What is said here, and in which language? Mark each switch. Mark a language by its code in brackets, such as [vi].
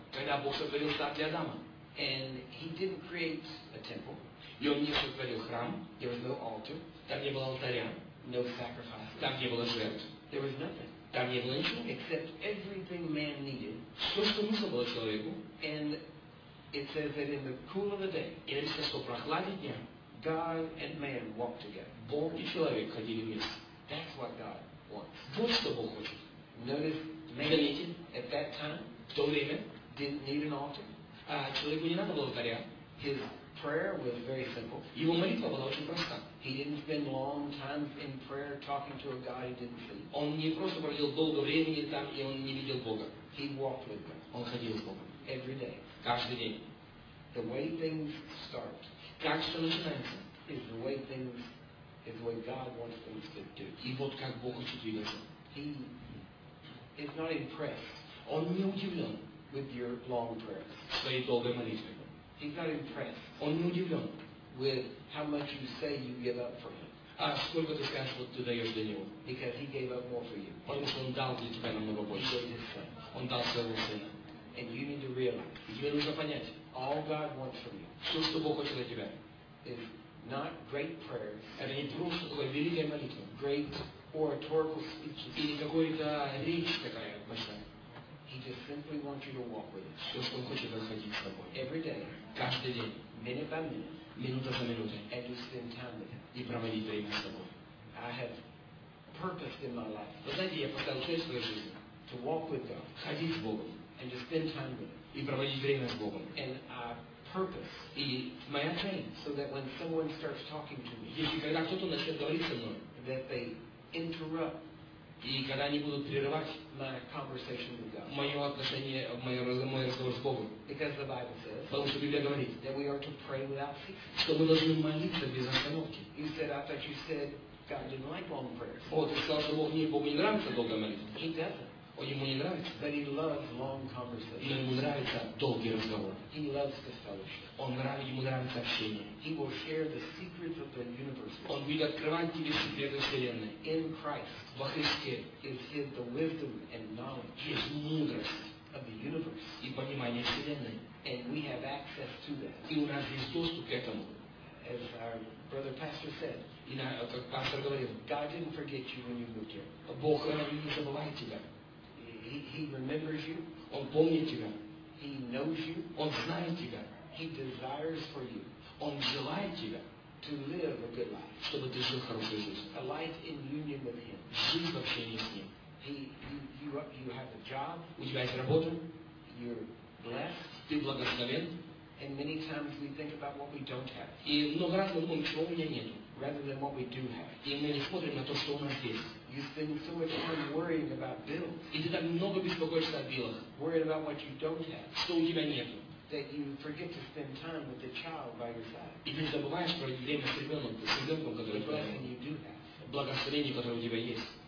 [ru] Когда Бог сотворил сад для Адама. [en] And He didn't create a temple. [ru] И Он не сотворил храм. [en] There was no altar. [ru] Там не было алтаря. [en] No sacrifice. [ru] Там не было жертв. [en] There was nothing. [ru] Там не было ничего. [en] Except everything man needed. [ru] Все, что нужно было человеку. [en] And it says that in the cool of the day. [ru] И написано, что прохладе дня. [en] God and man walked together. [ru] Бог и человек ходили вместе. [en] That's what God wants. [ru] Вот что Бог хочет. [en] Notice, man at that time, [ru] в то время, [en] didn't need an altar. [ru] Человеку не надо было алтаря. [en] His prayer was very simple. [ru] Его молитва была очень проста. [en] He didn't spend long time in prayer talking to a God he didn't see. [ru] Он не просто проводил долго времени там, и он не видел Бога. [en] He walked with God. [ru] Он ходил с Богом. [en] Every day. [ru] Каждый день. [en] The way things start. [ru] Как все начинается? [en] Is the way things. It's what God wants things to do. [ru] И вот как Бог хочет двигаться. [en] He is not impressed. [ru] Он не удивлен. [en] With your long prayers. [ru] Своей долгой молитвой. [en] He's not impressed. [ru] Он не удивлен. [en] With how much you say you give up for Him. [ru] А сколько ты скажешь, что ты даешь для Него? [en] Because He gave up more for you. [ru] Потому что Он дал для тебя намного больше. Он дал своего Сына. [en] And you need to realize. [ru] И тебе нужно понять. [en] All God wants from you. [ru] Все, что Бог хочет от тебя. [en] Is not great prayers. [ru] Это не просто такая великая молитва. [en] Great oratorical speeches. [ru] И не какой-то речь такая большая. [en] He just simply wants you to walk with Him. [ru] Все, что Он хочет, это ходить с тобой. [en] Every day. [ru] Каждый день. [en] Minute by minute. [ru] Минута за минутой. [en] And to spend time with Him. [ru] И проводить время с тобой. [en] I have purpose in my life. [ru] Вы знаете, я поставил цель в своей жизни. [en] To walk with God. [ru] Ходить с Богом. [en] And to spend time with Him. [ru] И проводить время с Богом. [en] And I purpose. [ru] И моя цель. [en] So that when someone starts talking to me. [ru] Если когда кто-то начнет говорить со мной. [en] That they interrupt. [ru] И когда они будут прерывать. [en] My conversation with God. [ru] Мое отношение, мой разговор с Богом. [en] Because the Bible says. [ru] Потому что Библия говорит. [en] That we are to pray without ceasing. [ru] Что мы должны молиться без остановки. [en] You said, I thought you said God didn't like long prayers. [ru] О, ты сказал, что Богу не нравится долгая молитва. [en] He doesn't. [ru] Он ему не нравится. [en] But he loves long conversations. [ru] Но ему нравится долгий разговор. [en] He loves the fellowship. [ru] Ему нравится общение. [en] He will share the secrets of the universe. [ru] Он будет открывать тебе секреты Вселенной. [en] In Christ. [ru] Во Христе. [en] Is hid the wisdom and knowledge. [ru] Есть мудрость. [en] Of the universe. [ru] И понимание Вселенной. [en] And we have access to that. [ru] И у нас есть доступ к этому. [en] As our brother pastor said. [ru] И как пастор говорил. [en] God didn't forget you when you moved here. [ru] Бог не забывает тебя. [en] He remembers you. [ru] Он помнит тебя. [en] He knows you. [ru] Он знает тебя. [en] He desires for you. [ru] Он желает тебя. [en] To live a good life. [ru] Чтобы ты жил хорошей жизнью. [en] A life in union with Him. [ru] Жизнь в общении с Ним. [en] You have a job. [ru] У тебя есть работа. [en] You're blessed. [ru] Ты благословен. [en] And many times we think about what we don't have. [ru] И много раз мы думаем, чего у меня нету. [en] Rather than what we do have. [ru] И мы не смотрим на то, что у нас есть. [en] You spend so much time worrying about bills. [ru] И ты так много беспокоишься о билах. [en] Worried about what you don't have. [ru] Что у тебя нету. [en] That you forget to spend time with the child by your side. [ru] И ты забываешь про время с ребенком, который у тебя. [en] Blessing you do have. [ru] Благословение, которое у тебя есть.